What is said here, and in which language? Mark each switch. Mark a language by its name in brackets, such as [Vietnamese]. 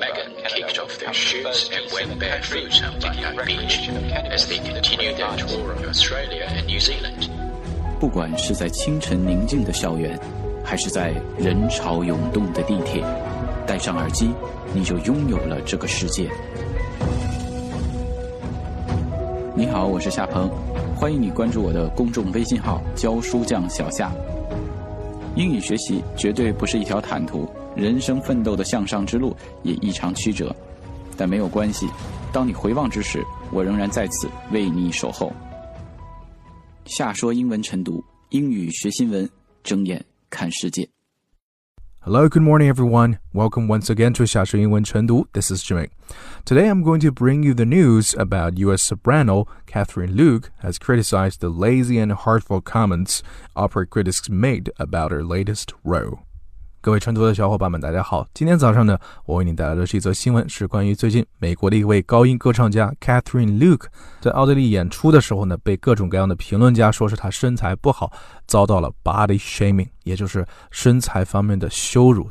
[English] Megan kicked off their shoes and went barefoot on Bondi Beach as they continued their tour of Australia and New Zealand. [Chinese] 不管是在清晨宁静的校园，还是在人潮涌动的地铁，戴上耳机，你就拥有了这个世界。你好，我是夏鹏，欢迎你关注我的公众微信号教书匠小夏。英语学习绝对不是一条坦途，人生奋斗的向上之路也异常曲折，但没有关系，当你回望之时，我仍然在此为你守候。夏说英文晨读，英语学新闻，睁眼看世界。 [English] Hello, good morning, everyone. Welcome once again to 夏说英文晨读.This is Jimmy. Today, I'm going to bring you the news about U.S. soprano Catherine Luke has criticized the lazy and hurtful comments opera critics made about her latest role. [Chinese] 各位晨读的小伙伴们，大家好。今天早上呢，我为你带来的是一则新闻，是关于最近美国的一位高音歌唱家 Catherine Luke 在奥地利演出的时候呢，被各种各样的评论家说是她身材不好，遭到了 body shaming， 也就是身材方面的羞辱。